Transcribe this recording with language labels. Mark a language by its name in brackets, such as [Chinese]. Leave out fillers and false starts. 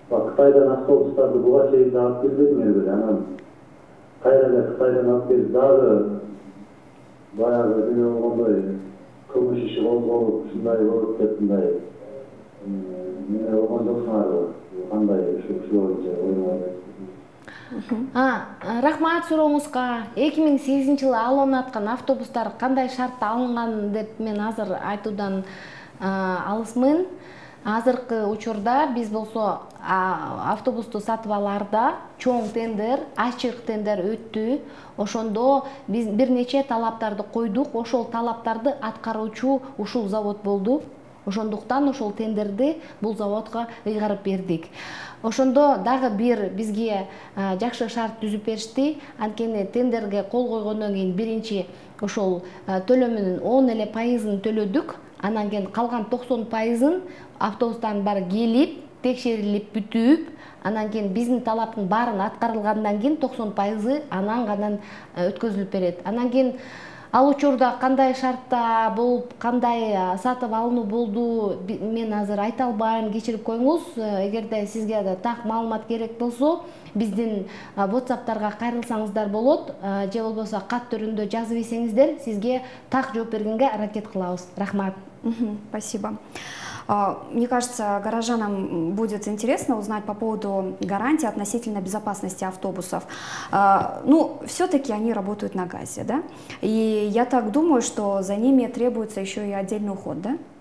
[Kyrgyz] Кытайдан автобустарды буга чейин да алып келбедиңерби? Анан кайра эле Кытайдан алып келип дагы баягы эме болгондой кылмыш иши козголуп ушундай болуп деп мындай эмне болгон жоксуңарбы? Кандай ушу кишилер боюнча ойлонуп Рахмат сұрауыңызға, 2008 жылы алынатқан автобустар қандай шартта алынған деп мен азыр айтудан алысмын. Азыркы учурда биз болсо автобусту сатып аларда чоң тендер, ачык тендер өттү. Ошондо биз бир нече талаптарды койдук, ошол талаптарды аткаруучу ушул завод болду. Ошондуктан ошол тендерди бул заводко ыйгарып бердик. Ошондо дагы бир бизге жакшы шарт түзүп беришти. Анткени тендерге кол койгондон кийин биринчи ошол төлөмүнүн 10 эле пайызын төлөдүк. Анан кийин калган 90% автобустан баары келип, текшерилип бүтүп, анан кийин биздин талаптын баарын аткарылгандан кийин 90% анан гана өткөзүлүп берет. Анан кийин ал учурда кандай шартта болуп, кандай сатып алынуу болду, мен азыр айта албайм, кечирип коюңуз. Эгерде сизге да так маалымат керек болсо, биздин WhatsApp-тарга кайрылсаңыздар болот, же болбосо кат түрүндө жазып ийсеңиздер, сизге так жооп бергенге аракет кылабыз. Рахмат. [Russian] Спасибо. Мне кажется, горожанам будет интересно узнать по поводу гарантий относительно безопасности автобусов. Все-таки они работают на газе, да? И я так думаю, что за ними требуется еще и отдельный уход, да?